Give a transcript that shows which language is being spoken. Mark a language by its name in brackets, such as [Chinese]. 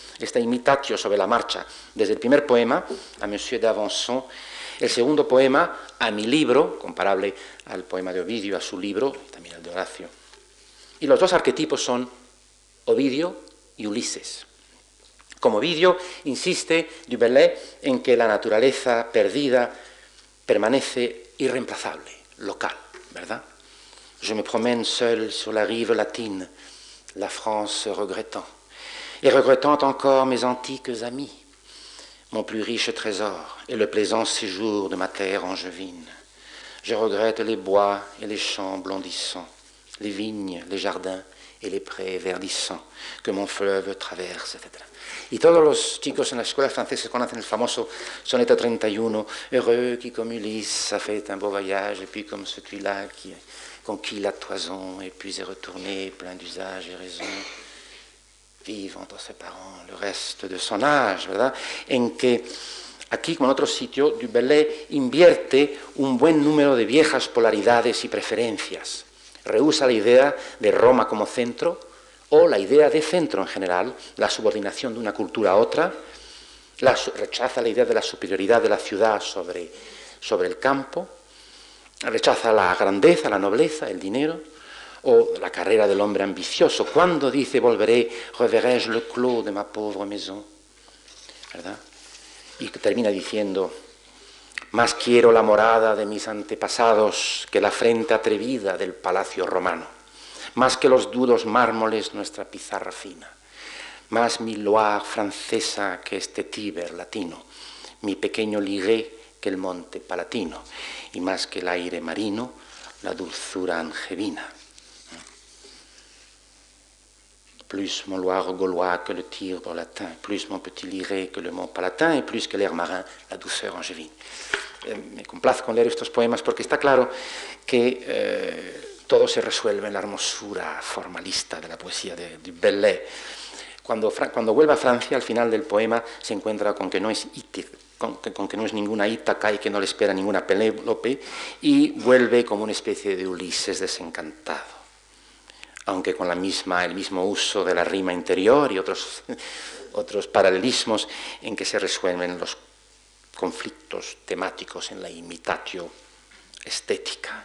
[Spanish] Esta imitatio sobre la marcha, desde el primer poema, a Monsieur d'Avançon, el segundo poema, a mi libro, comparable al poema de Ovidio, a su libro, y también al de Horacio. Y los dos arquetipos son Ovidio y Ulises. Como Ovidio, insiste Du Bellay en que la naturaleza perdida permanece irreemplazable, local, ¿verdad? [French] Je me promène seul sur la rive latine, la France regrettant, et regrettant encore mes antiques amis, mon plus riche trésor et le plaisant séjour de ma terre angevine. Je regrette les bois et les champs blondissants, les vignes, les jardins et les prés verdissants que mon fleuve traverse, etc. [Spanish] Y todos los chicos en la escuela francesa conocen el famoso soneto 31, [French] heureux qui comme Ulysse a fait un beau voyage, et puis comme celui-là qui conquis la toison, et puis est retourné plein d'usage et raison, vive entre ses parents le reste de son âge, ¿verdad? [Spanish] En que aquí, como en otro sitio, Du Bellay invierte un buen número de viejas polaridades y preferencias. Rehúsa la idea de Roma como centro, o la idea de centro en general, la subordinación de una cultura a otra, rechaza la idea de la superioridad de la ciudad sobre el campo, rechaza la grandeza, la nobleza, el dinero, o la carrera del hombre ambicioso. ¿Cuándo dice volveré, [French] reverrai-je le clos de ma pauvre maison? [Spanish] ¿Verdad? Y termina diciendo, más quiero la morada de mis antepasados que la frente atrevida del palacio romano. Más que los duros mármoles nuestra pizarra fina, más mi Loire francesa que este Tíber latino, mi pequeño Ligue que el monte palatino, y más que el aire marino, la dulzura angevina. [French] Plus mon Loire gaulois que le Tibre latin, plus mon petit Ligue que le mont palatin, y plus que l'air marin, la douceur angevine. [Spanish] Me complazco en leer estos poemas porque está claro que todo se resuelve en la hermosura formalista de la poesía de Du Bellay. Cuando vuelve a Francia, al final del poema, se encuentra con que no es ninguna Ítaca y que no le espera ninguna Penélope, y vuelve como una especie de Ulises desencantado, aunque con el mismo uso de la rima interior y otros paralelismos en que se resuelven los conflictos temáticos en la imitatio estética.